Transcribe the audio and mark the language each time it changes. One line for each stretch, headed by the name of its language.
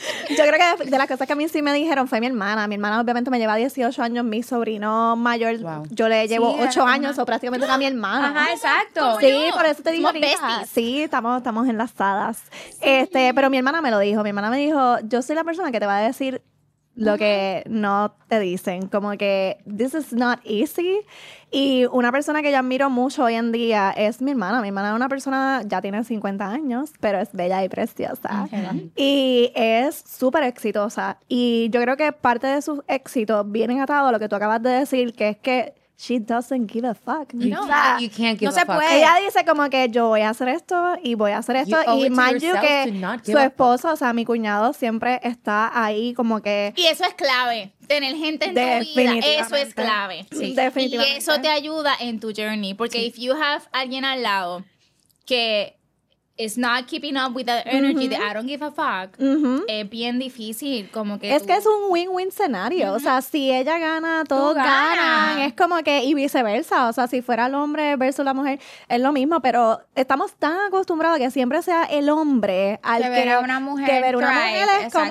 Spanish: Yo creo que de las cosas que a mí sí me dijeron fue mi hermana. Mi hermana obviamente me lleva 18 años, mi sobrino mayor, yo le llevo 8 años, o prácticamente era mi hermana. Ajá, exacto. Sí, por eso te digo ahorita. Sí, estamos enlazadas. Pero mi hermana me lo dijo. Mi hermana me dijo, yo soy la persona que te va a decir lo que no te dicen. Como que,
English: this is not easy.
Spanish: Y una persona que yo admiro mucho hoy en día es mi hermana. Mi hermana es una persona, ya tiene 50 años, pero es bella y preciosa. Okay. Y es súper exitosa. Y yo creo que parte de su éxito viene atado a lo que tú acabas de decir, que es que
English: she doesn't give a fuck.
Spanish: No, o sea,
English: you can't give
Spanish: no
English: a
Spanish: se
English: fuck.
Spanish: Puede. Ella dice como que yo voy a hacer esto y voy a hacer esto.
English: You
Spanish: y
English: mind you
Spanish: que su esposo, o sea, mi cuñado, siempre está ahí como que... Y eso es clave. Tener gente en tu vida, eso es clave. Sí. Definitivamente. Y eso te ayuda en tu journey. Porque
English: if you have
Spanish: alguien al lado que...
English: It's not keeping up with the energy that I don't give a fuck.
Spanish: Es bien difícil, como que... Es que es un
English: win-win scenario.
Spanish: Uh-huh. O sea, si ella gana, todos ganan. Es como que... Y viceversa. O sea, si fuera el hombre versus la mujer, es lo mismo. Pero estamos tan acostumbrados a que siempre sea el hombre al que... Que ver a una mujer. Que ver una mujer es exacto.